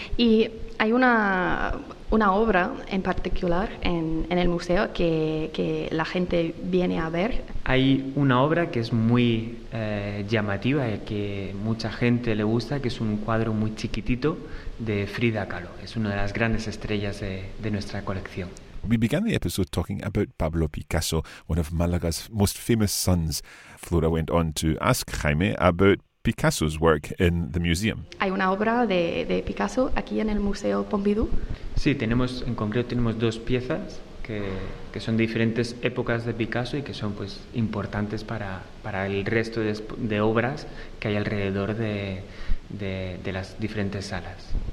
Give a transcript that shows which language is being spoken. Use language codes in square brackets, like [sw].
[es] Y hay una obra en particular en el museo que la gente viene a ver. Hay una obra que es muy llamativa y que mucha gente le gusta, que es un cuadro muy chiquitito de Frida Kahlo. Es una de las grandes estrellas de nuestra colección. [en] We began the episode talking about Pablo Picasso, one of Malaga's most famous sons. Flora went on to ask Jaime about Picasso's work in the museum. [es] Hay una obra de Picasso aquí en el Museo Pompidou. Sí, tenemos en concreto 2 piezas que son diferentes épocas de Picasso y que son pues importantes para el resto de obras que hay alrededor de las diferentes salas.